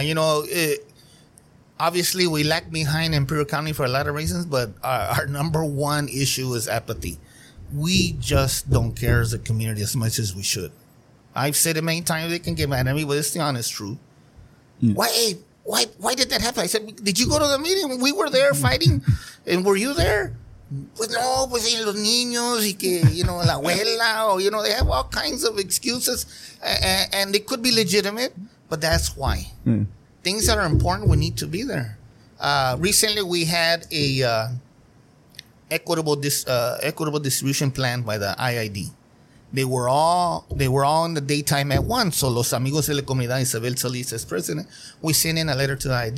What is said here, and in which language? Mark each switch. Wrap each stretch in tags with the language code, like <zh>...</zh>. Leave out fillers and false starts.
<en>it. You know, obviously we lag behind Imperial County for a lot of reasons, but our number one issue is apathy. We just don't care as a community as much as we should. I've said it many times, they can get mad at me, but it's the honest truth. Mm. Why did that happen? I said, did you go to the meeting? We were there fighting. And were you there?</en> <es>Pues no, pues y los niños y que,</es> <en>you know,</en> <es>la abuela.</es> <en>Or, you know, they have all kinds of excuses. And they could be legitimate, but that's why. Mm. Things that are important, we need to be there. Recently, we had a equitable distribution plan by the IID. They were all in the daytime at once. So Los Amigos de la Comunidad, Isabel Solis as president, we sent in a letter to the IID.</en>